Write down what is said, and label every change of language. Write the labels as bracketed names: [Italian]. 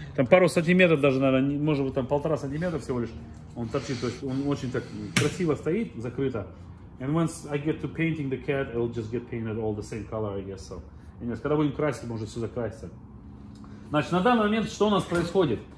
[Russian] Там пару сантиметров даже, наверное, может быть, там 1.5 сантиметра всего лишь. Он торчит, то есть он очень так красиво стоит, закрыто. [English] And once I get to painting the cat, it'll just get painted all the same color, I guess. So, anyways, [Russian] когда будем красить, может все закраситься. Значит, на данный момент что у нас происходит?